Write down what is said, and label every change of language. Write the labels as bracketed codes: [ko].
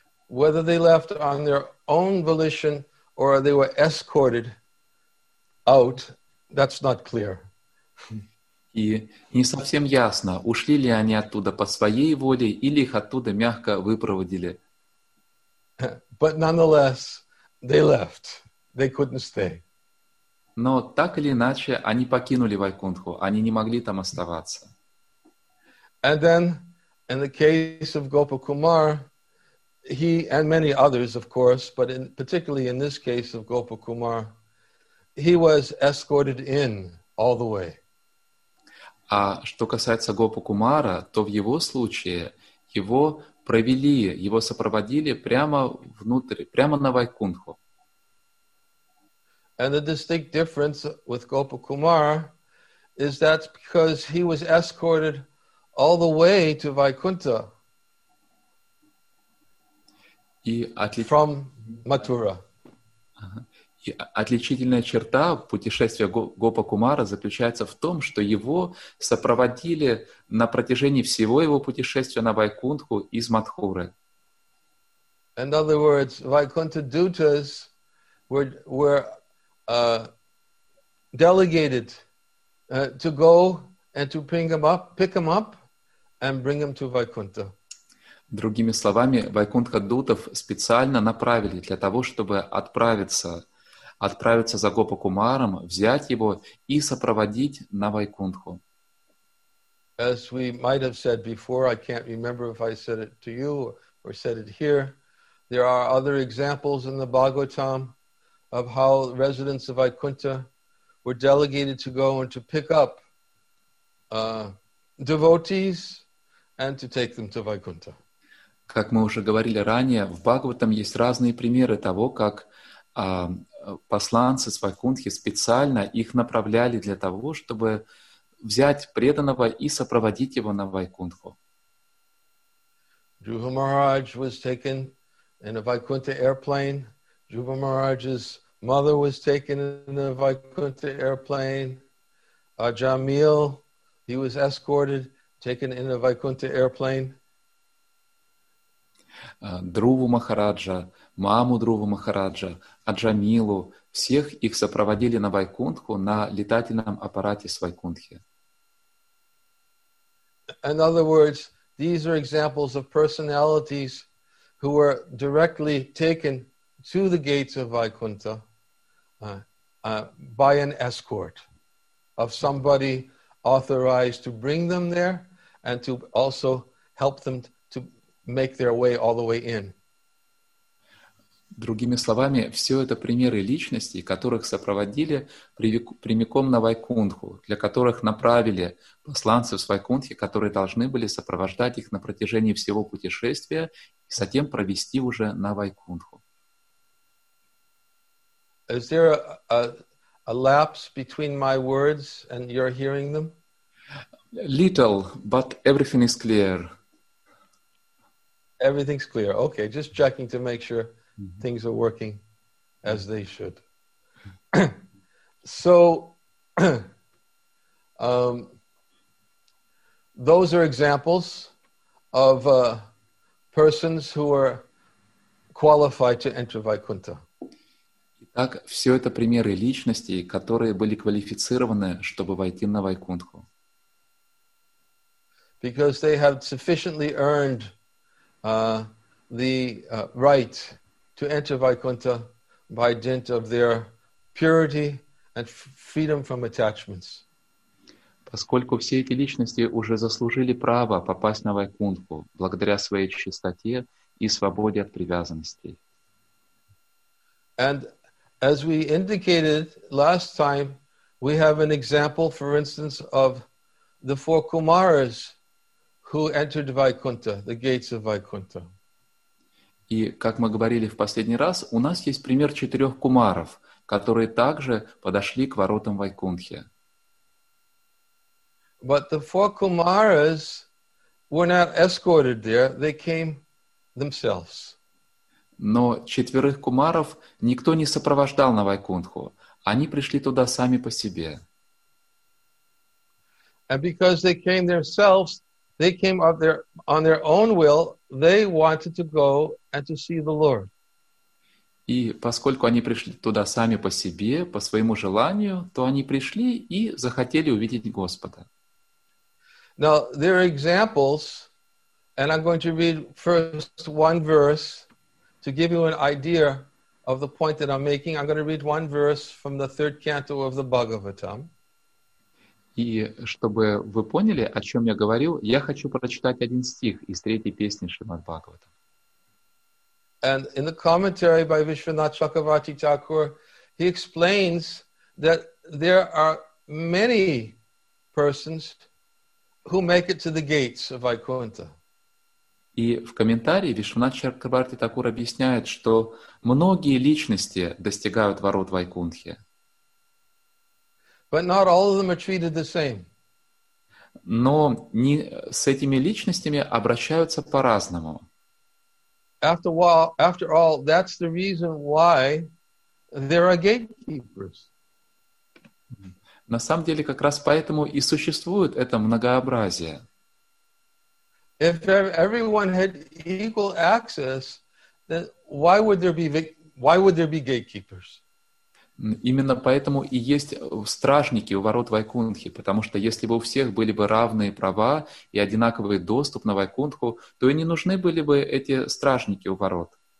[en] Whether they left on their own volition or they were escorted out, that's not clear. [ru] И не совсем ясно, ушли ли они оттуда по своей воле или их оттуда мягко выпроводили. [en] But nonetheless, they left. They couldn't stay. [ru] Но так или иначе, они покинули Вайкунтху, они не могли там оставаться. [en] And then, in the case of Gopakumar, he and many others, of course, but in, particularly in this case of Gopakumar, he was escorted in all the way. [ru] А что касается Гопакумара, то в его случае его провели, его сопроводили прямо внутрь, прямо на Вайкунтху. [en] And the distinct difference with Gopakumara is that because he was escorted all the way to Vaikuntha from Mathura. [ru] И отличительная черта путешествия Гопакумара заключается в том, что его сопроводили на протяжении всего его путешествия на Вайкунтху из Матхуры. [en] In other words, Vaikuntha dutas were delegated to go and to pick him up and bring him to Vaikuntha. [ru] Другими словами, Вайкунтха дутов специально направили для того, чтобы отправиться за Гопакумаром, взять его и сопроводить на Вайкунтху. [en] As we might have said before, I can't remember if I said it to you or said it here, there are other examples in the Bhagavatam of how residents of Vaikuntha were delegated to go and to pick up devotees and to take them to Vaikuntha. [ru] Как мы уже говорили ранее, в Бхагаватам есть разные примеры того, как посланцы с Вайкунтхи специально их направляли для того, чтобы взять преданного и сопроводить его на Вайкунтху. [en] Dhruva Maharaj was taken in a Vaikuntha airplane. Dhruva Maharaj's mother was taken in a Vaikuntha airplane. Ajamil, he was escorted, taken in a Vaikuntha airplane. [ru] Друву Махараджа, маму Друву Махараджа, Аджамилу, всех их сопроводили на Вайкунтху на летательном аппарате с Вайкунтхи. [en] In other words, these are examples of personalities who were directly taken to the gates of Vaikuntha by an escort of somebody authorized to bring them there and to also help them to make their way all the way in. [ru] Другими словами, все это примеры личностей, которых сопроводили прямиком на Вайкунтху, для которых направили посланцев с Вайкунтхи, которые должны были сопровождать их на протяжении всего путешествия и затем провести уже на Вайкунтху. [en] Is there a lapse between my words and your hearing them? Little, but everything is clear. Everything's clear. Okay, just checking to make sure things are working as they should. So, those are examples of persons who are qualified to enter Vaikuntha. [ru] Итак, все это примеры личностей, которые были квалифицированы, чтобы войти на Вайкунтху. [en] Because they have sufficiently earned the right to enter Vaikuntha by dint of their purity and freedom from attachments. [ru] Поскольку все эти личности уже заслужили право попасть на Вайкунтху благодаря своей чистоте и свободе от привязанностей. [en] And as we indicated last time, we have an example, for instance, of the four Kumaras who entered Vaikuntha, the gates of Vaikuntha. [ru] И как мы говорили в последний раз, у нас есть пример четырех кумаров, которые также подошли к воротам Вайкунтхи. [en] But the four Kumaras were not escorted there, they came themselves. [ru] Но четверых кумаров никто не сопровождал на Вайкунтху. Они пришли туда сами по себе. [en] And because they came themselves, they came of their, on their own will, they wanted to go and to see the Lord. [ru] И поскольку они пришли туда сами по себе, по своему желанию, то они пришли и захотели увидеть Господа. [en] Now, there are examples, and I'm going to read first one verse to give you an idea of the point that I'm making. I'm going to read one verse from the third canto of the Bhagavatam. [ru] И чтобы вы поняли, о чем я говорил, я хочу прочитать один стих из третьей песни Шримад Бхагаватам. [en] And in the commentary by Vishwanath Chakravarti Thakur, he explains that there are many persons who make it to the gates of Vaikuntha. [ru] И в комментарии Вишванат Чакрабарти Такур объясняет, что многие личности достигают ворот Вайкунтхи. [en] But not all of them are treated the same. [ru] Но не с этими личностями обращаются по-разному. [en] After all, that's the reason why there are gatekeepers. [ru] На самом деле, как раз поэтому и существует это многообразие. [en] If everyone had equal access, then why would there be gatekeepers? [ru] Именно поэтому и есть стражники у ворот Вайкунтхи, потому что если бы у всех были бы равные права и одинаковый доступ на Вайкунтху, то и не нужны были бы эти стражники у ворот.